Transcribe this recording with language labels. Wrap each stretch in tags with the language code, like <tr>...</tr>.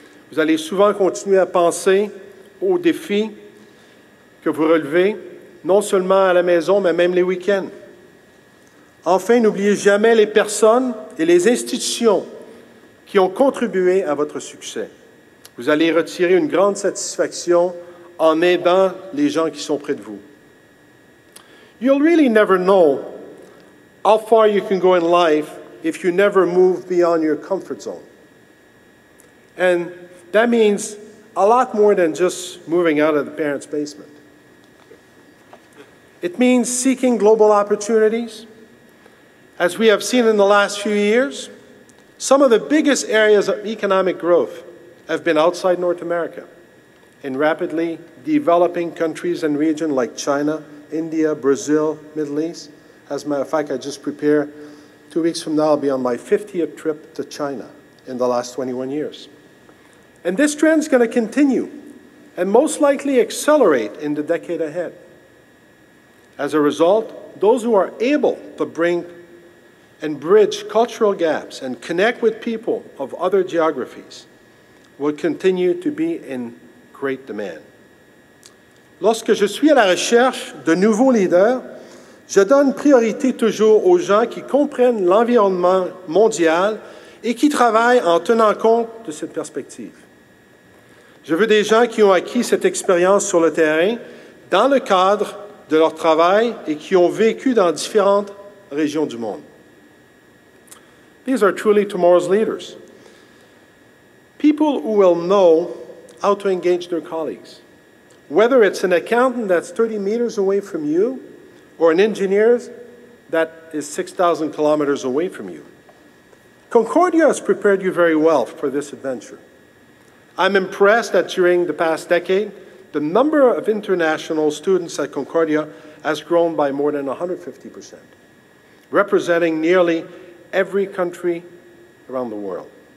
<fr>Vous allez souvent continuer à penser aux défis que vous relevez, non seulement à la maison, mais même les week-ends. Enfin, n'oubliez jamais les personnes et les institutions qui ont contribué à votre succès. Vous allez retirer une grande satisfaction en aidant les gens qui sont près de vous.</fr> <en>You'll really never know how far you can go in life if you never move beyond your comfort zone. And that means a lot more than just moving out of the parents' basement. It means seeking global opportunities. As we have seen in the last few years, some of the biggest areas of economic growth have been outside North America, in rapidly developing countries and regions like China, India, Brazil, Middle East. As a matter of fact, I just prepare 2 weeks from now, I'll be on my 50th trip to China in the last 21 years. And this trend is going to continue and most likely accelerate in the decade ahead. As a result, those who are able to bring and bridge cultural gaps and connect with people of other geographies will continue to be in great demand.</en> <fr>Lorsque je suis à la recherche de nouveaux leaders, je donne priorité toujours aux gens qui comprennent l'environnement mondial et qui travaillent en tenant compte de cette perspective. Je veux des gens qui ont acquis cette expérience sur le terrain dans le cadre de leur travail et qui ont vécu dans différentes régions du monde.</fr> <en>These are truly tomorrow's leaders. People who will know how to engage their colleagues. Whether it's an accountant that's 30 meters away from you or an engineer that is 6,000 kilometers away from you. Concordia has prepared you very well for this adventure. I'm impressed that during the past decade, the number of international students at Concordia has grown by more than 150%, representing nearly every country around the world.</en>